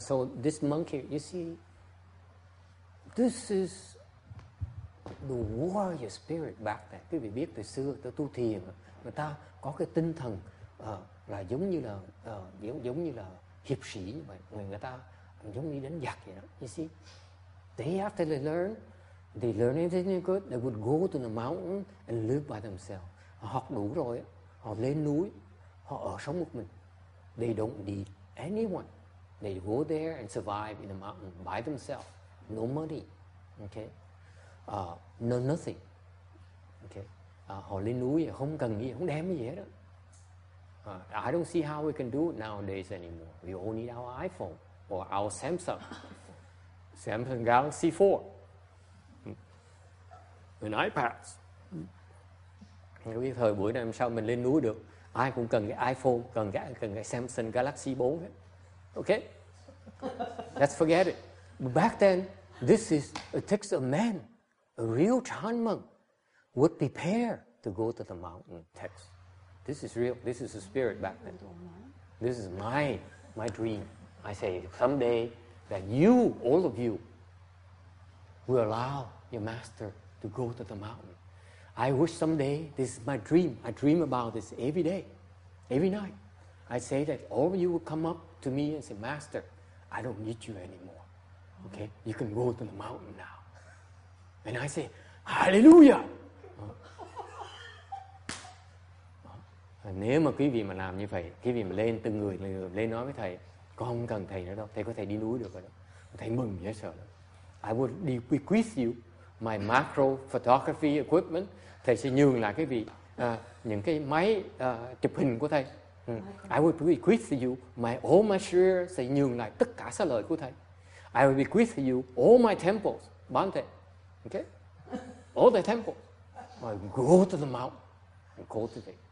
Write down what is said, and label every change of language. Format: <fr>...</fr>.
<en>So this monk here, you see, this is the warrior spirit back then.</en> <vi>Quý vị biết từ xưa, từ tu thiền, người ta có cái tinh thần là giống như là hiệp sĩ như vậy. Người ta giống như đánh giặc vậy đó.</vi> <en>You see, day after they learn anything they could, they would go to the mountain and live by themselves.</en> <vi>Họ học đủ rồi, họ lên núi, họ ở sống một mình.</vi> <en>They don't need anyone. They go there and survive in the mountain by themselves. No money. Okay. No nothing. Okay.</en> <vi>Họ lên núi, không cần gì, không đem gì hết đó.</vi> <en>I don't see how we can do it nowadays anymore. We all need our iPhone or our Samsung. Samsung Galaxy 4. And iPads.</en> <vi>Cái thời buổi này làm sao mình lên núi được. Ai cũng cần cái iPhone, cần cái Samsung Galaxy 4 hết.</vi> <en>Okay? Let's forget it. But back then, this is, it takes a man, a real Chan monk, would prepare to go to the mountain text. This is real. This is the spirit back then. This is my dream. I say someday that you, all of you, will allow your master to go to the mountain. I wish someday, this is my dream. I dream about this every day, every night. I say that all of you will come up to me and say, Master, I don't need you anymore. Okay? You can go to the mountain now. And I say, Hallelujah!</en> <vi>Nếu mà quý vị mà làm như vậy, quý vị mà lên, từng người lên nói với thầy, con không cần thầy nữa đâu, thầy có thể đi núi được rồi đâu. Thầy mừng dễ sợ.</vi> <en>I would bequeath you my macro photography equipment.</en> <vi>Thầy sẽ nhường lại cái vị những cái máy chụp hình của thầy.</vi> <en>I would bequeath to you all my shrier,</en> <vi>sẽ nhường lại tất cả sa lợi của thầy.</vi> <en>I would bequeath to you all my temples,</en> <vi>bán thầy.</vi> <en>Okay? All the temples. I go to the mountain and cultivate.</en>